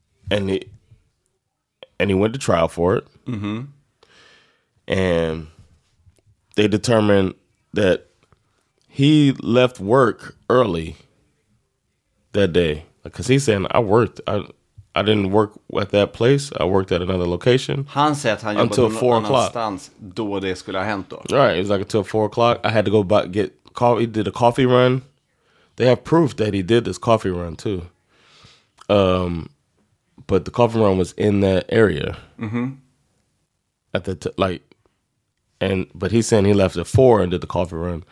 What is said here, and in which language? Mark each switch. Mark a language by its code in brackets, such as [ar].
[en] And he went to trial for it. Mm-hmm. And they determined that he left work early that day. Because he's saying, I worked. I didn't work at that place. I worked at another location. [sv] Han säger att han jobbade någon annanstans då det skulle ha hänt då. [en] Right. It was like until 4 o'clock. I had to go back, get coffee. He did a coffee run. They have proof that he did this coffee run too. But the coffee run was in that area. Mm-hmm. At the but he's saying he left at 4 and did the coffee run.